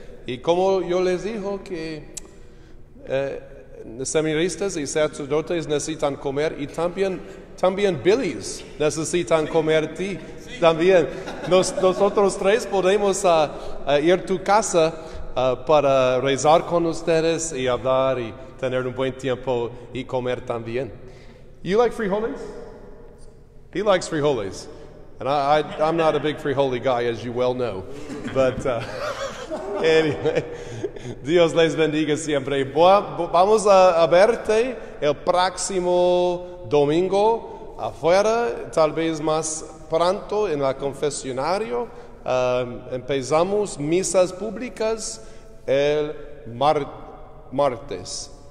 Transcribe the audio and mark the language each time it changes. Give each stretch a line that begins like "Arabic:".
Spanish: Y como yo les dijo que seminaristas y sacerdotes necesitan comer, y también Billy's necesitan comer ti. También nosotros tres podemos ir a tu casa para rezar con ustedes y hablar y tener un buen tiempo y comer también.
English: You like frijoles? He likes frijoles. And I'm not a big frijole guy, as you well know. But anyway,
Spanish: Dios les bendiga siempre. Vamos a verte el próximo domingo afuera, tal vez más pronto en el confesionario. Empezamos misas públicas el martes.